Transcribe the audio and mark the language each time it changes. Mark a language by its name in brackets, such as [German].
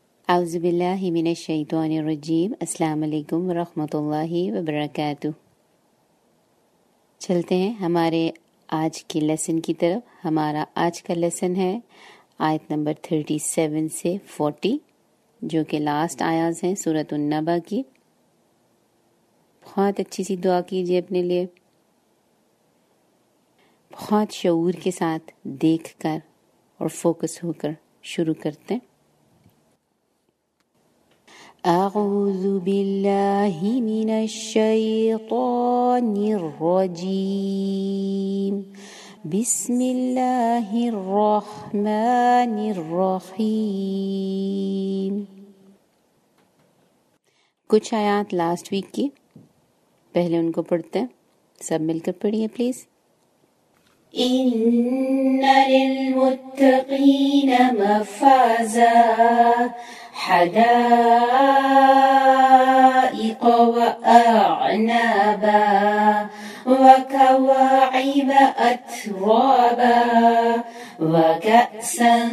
[Arabic] أعوذ بالله من الشيطان الرجيم. السلام عليكم ورحمة الله وبركاته. [Urdu] چلتے ہیں ہمارے آج کی لیسن کی طرف. ہمارا آج کا لیسن ہے آیت نمبر 37 سے 40، جو کہ لاسٹ آیات ہیں سورۃ النبا کی. بہت اچھی سی دعا کیجیے اپنے لیے، بہت شعور کے ساتھ دیکھ کر اور فوکس ہو کر شروع کرتے ہیں. [Arabic] أعوذ بالله من الشيطان الرجيم. بسم الله الرحمن الرحيم. [Urdu] کچھ آیات لاسٹ ویک کی، پہلے ان کو پڑھتے ہیں. سب مل کر پڑھیے پلیز. [Arabic] إن للمتقين مفازا حدائق وأعنابا وكواعب أترابا وكأسا